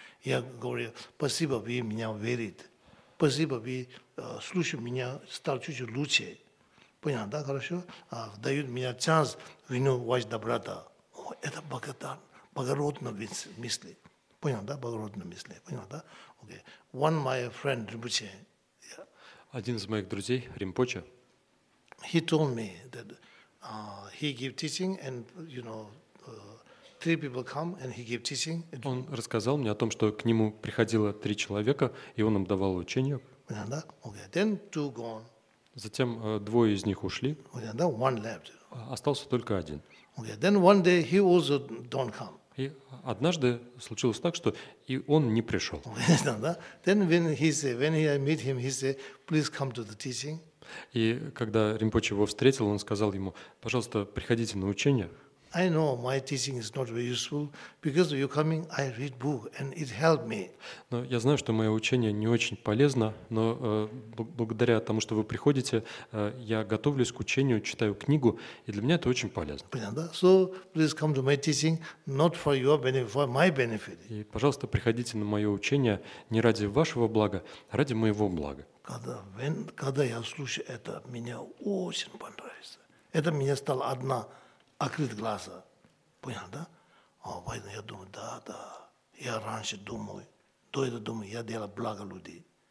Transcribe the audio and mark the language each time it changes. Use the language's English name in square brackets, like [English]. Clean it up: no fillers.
[Russian] Я говорю, спасибо, вы меня верите. Спасибо, вы слушай меня, стал чуть-чуть лучше. Понятно, да, хорошо? Дают мне шанс вернуть ваш доброта. О, это благодарность, благородность мысли. Понятно, да, благородные мысли. Понятно, да? [English] Okay. One my friend Rinpoche. [Russian] Один из моих друзей Ринпоче. [English] He told me that he give teaching and you know three people come and he give teaching. [Russian] Он рассказал мне о том, что к нему приходило три человека и он им давал учение. Понятно, да? [English] Okay. Then two gone. [Russian] Затем двое из них ушли. Понятно, да? [English] One left. [Russian] Остался только один. [English] Okay. Then one day he also don't come. [Russian] И однажды случилось так, что и он не пришел. [English] Then when I meet him, he said, please come to the teaching. [Russian] И когда Ринпоче его встретил, он сказал ему: пожалуйста, приходите на учение. [English] I know my teaching is not very useful because you coming, I read book and it helped me. [Russian] Но я знаю, что мое учение не очень полезно, но благодаря тому, что вы приходите, я готовлюсь к учению, читаю книгу, и для меня это очень полезно. Понятно? [English] So please come to my teaching not for your benefit, for my benefit. [Russian] И пожалуйста, приходите на мое учение не ради вашего блага, а ради моего блага. Когда я слушаю это, мне очень понравится. Это мне стало одна. Открыть глаза. Понял, да? А поэтому я думаю, да, да. Я раньше думал, до этого думаю, я делал благо людей.